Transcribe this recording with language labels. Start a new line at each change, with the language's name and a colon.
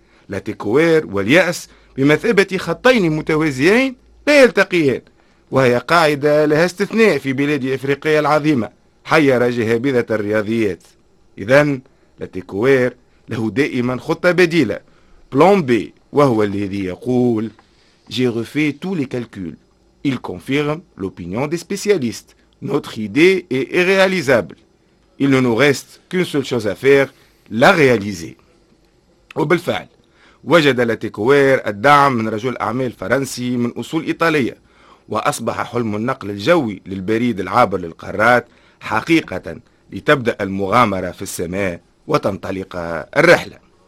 Arabic: لاتيكوير واليأس بمثابة خطين متوازيين لا يلتقيان، وهي قاعدة لها استثناء في بلاد إفريقيا العظيمة حير جهابذة الرياضيات. إذن لاتيكوير له دائما خطة بديلة بلان بي، وهو الذي يقول
French: j'ai refait tous les calculs. Il confirme l'opinion des spécialistes. Notre idée est irréalisable. Il ne nous reste qu'une seule chose à faire, la réaliser.
Arabic: وبالفعل وجد لاتيكوير الدعم من رجل أعمال فرنسي من أصول إيطالية، وأصبح حلم النقل الجوي للبريد العابر للقارات حقيقة لتبدأ المغامرة في السماء وتنطلق الرحلة.